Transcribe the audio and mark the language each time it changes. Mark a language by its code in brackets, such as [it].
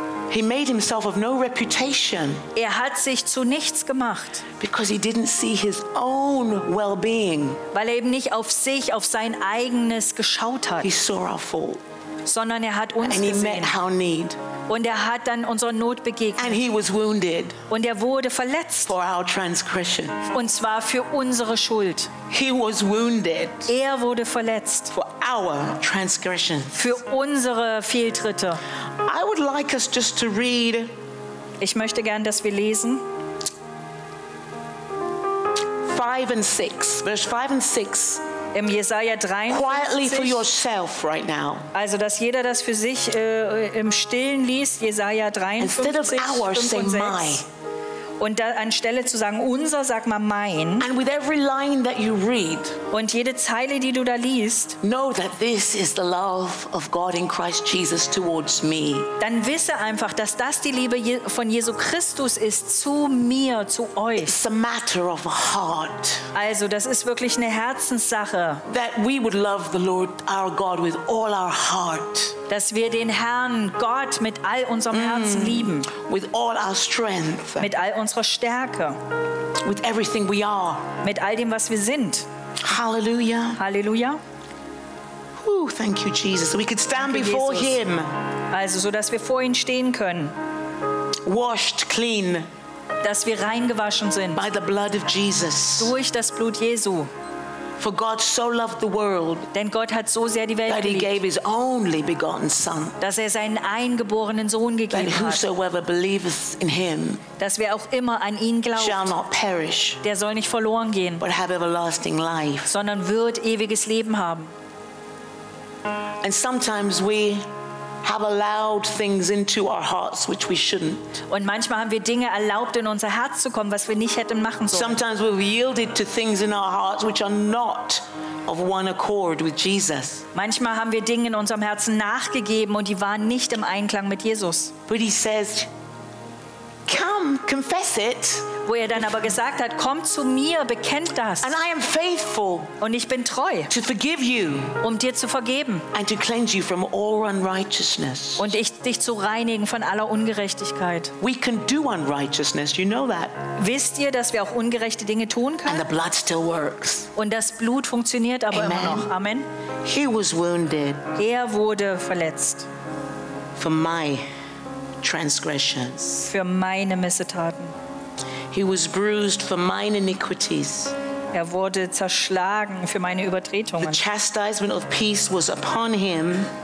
[en] He made himself of no reputation. [de] Er hat sich zu nichts gemacht. [en] Because he didn't see his own well-being. [de] Weil er eben nicht auf sich, auf sein eigenes geschaut hat. [en] He saw our fault. [de] Sondern er hat uns [en] and he [de] gesehen. [en] Met our need. [de] Und er hat dann unserer Not begegnet. [en] And he was wounded. [de] Und er wurde verletzt. [en] For our transgression. [de] Und zwar für unsere Schuld. [en] He was wounded. [de] Er wurde verletzt. [en] For our transgression. [de] Für unsere Fehltritte. [en] I would like us just to read. [de] Ich möchte gern, dass wir lesen. [en] 5 and 6. Verse 5 and 6. [de] Im Jesaja 53. [en] Quietly for yourself right now. [de] Also, dass jeder das für sich im Stillen liest, Jesaja 53, [en] Instead of ours, [de] 5 und 6. [en] Say my. [de] Und da, anstelle zu sagen, unser, sag mal mein. [en] And with every line that you read, [de] und jede Zeile, die du da liest, [en] know that this is the love of God in Christ Jesus towards me. [de] Dann wisse einfach, dass das die Liebe von Jesu Christus ist zu mir, zu euch. [en] It's a matter of heart. [de] Also, das ist wirklich eine Herzenssache. [en] That we would love the Lord our God with all our heart. [de] Dass wir den Herrn Gott mit all unserem Herzen lieben. [en] With all our strength. [de] Mit all unserer Stärke. [en] With everything we are. [de] Mit all dem, was wir sind. [en] Halleluja. [de] Halleluja. [en] Ooh, thank you, Jesus. We could stand [de] danke [en] before Jesus. Him. [de] Also, so dass wir vor ihm stehen können. [en] Washed clean. [de] Dass wir reingewaschen sind. [en] By the blood of Jesus. [de] Durch das Blut Jesu. [en] For God so loved the world, [de] denn Gott hat so sehr die Welt [en] that he gave his only begotten son, [de] dass er seinen eingeborenen Sohn gegeben [en] that whosoever [de] hat, [en] believeth in him, [de] dass wer auch immer an ihn glaubt, [en] shall not perish, [de] der soll nicht verloren gehen, [en] but have everlasting life, [de] sondern wird ewiges Leben haben. [en] And sometimes we have allowed things into our hearts which we shouldn't. [de] Und manchmal haben wir Dinge erlaubt in unser Herz zu kommen, was wir nicht hätten machen sollen. [en] Sometimes we've yielded to things in our hearts which are not of one accord with Jesus. [de] Manchmal haben wir Dinge in unserem Herzen nachgegeben und die waren nicht im Einklang mit Jesus. [en] But he says, come, confess it. [de] Wo er dann aber gesagt hat, komm zu mir, bekennt das. [en] And I am faithful. [de] Und ich bin treu. [en] To forgive you. [de] Um dir zu vergeben. [en] And to cleanse you from all unrighteousness. [de] Und ich dich zu reinigen von aller Ungerechtigkeit. [en] We can do unrighteousness, you know that. [de] Wisst ihr, dass wir auch ungerechte Dinge tun können? [en] And the blood still works. [de] Und das Blut funktioniert aber immer noch. [en] Amen. He was wounded. [de] Er wurde verletzt. [en] For my transgressions. [de] Für meine Missetaten. [en] He was bruised for mine iniquities. [de] Er wurde zerschlagen für meine Übertretungen. [en] The chastisement of peace was upon him.